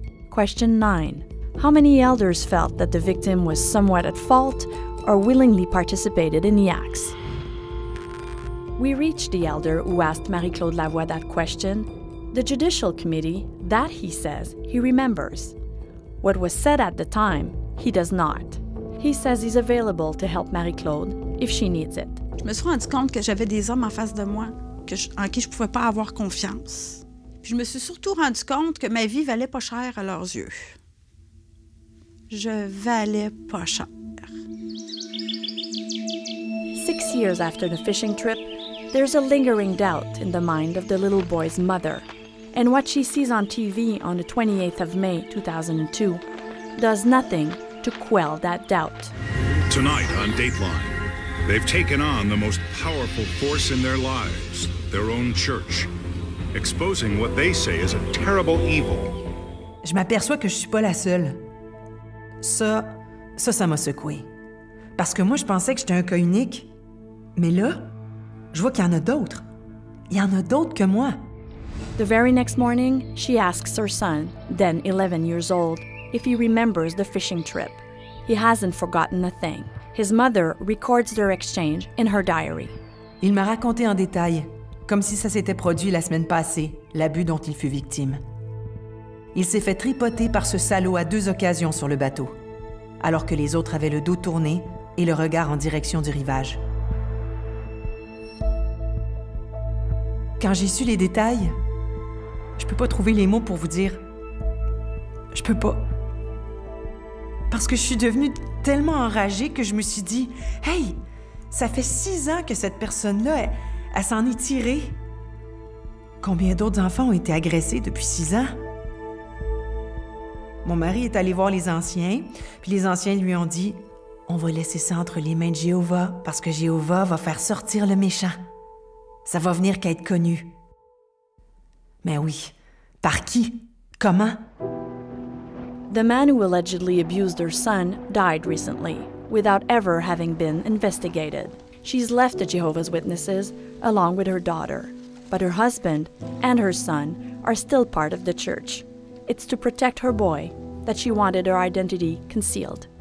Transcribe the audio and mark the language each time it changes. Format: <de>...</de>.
<en>Question 9. How many elders felt that the victim was somewhat at fault or willingly participated in the acts? We reached the elder who asked Marie-Claude Lavoie that question, the judicial committee that, he says, he remembers. What was said at the time, he does not. He says he's available to help Marie-Claude if she needs it.</en> <fr>Je me suis rendu compte que j'avais des hommes en face de moi en qui je pouvais pas avoir confiance. Puis je me suis surtout rendu compte que ma vie valait pas cher à leurs yeux. Je valais pas cher.</fr> <en>6 years after the fishing trip, there's a lingering doubt in the mind of the little boy's mother. And what she sees on TV on the 28th of May, 2002, does nothing to quell that doubt. Tonight on Dateline, they've taken on the most powerful force in their lives, their own church. Exposing what they say is a terrible evil.</en> <fr>Je m'aperçois que je suis pas la seule. Ça m'a secouée. Parce que moi, je pensais que j'étais un cas unique. Mais là, je vois qu'il y en a d'autres. Il y en a d'autres que moi.</fr> <en>The very next morning, she asks her son, then 11 years old, if he remembers the fishing trip. He hasn't forgotten a thing. His mother records their exchange in her diary.</en> <fr>Il m'a raconté en détail. Comme si ça s'était produit la semaine passée, l'abus dont il fut victime. Il s'est fait tripoter par ce salaud à deux occasions sur le bateau, alors que les autres avaient le dos tourné et le regard en direction du rivage. Quand j'ai su les détails, je peux pas trouver les mots pour vous dire. Je peux pas. Parce que je suis devenue tellement enragée que je me suis dit, « Hey, ça fait 6 ans que cette personne-là est... Elle s'en est tirée. Combien d'autres enfants ont été agressés depuis 6 ans? Mon mari est allé voir les anciens, puis les anciens lui ont dit, « On va laisser ça entre les mains de Jéhovah, parce que Jéhovah va faire sortir le méchant. Ça va venir qu'à être connu. » Mais oui, par qui? Comment?</fr> <en>The man who allegedly abused her son died recently, without ever having been investigated. She's left the Jehovah's Witnesses along with her daughter, but her husband and her son are still part of the church. It's to protect her boy that she wanted her identity concealed.</en>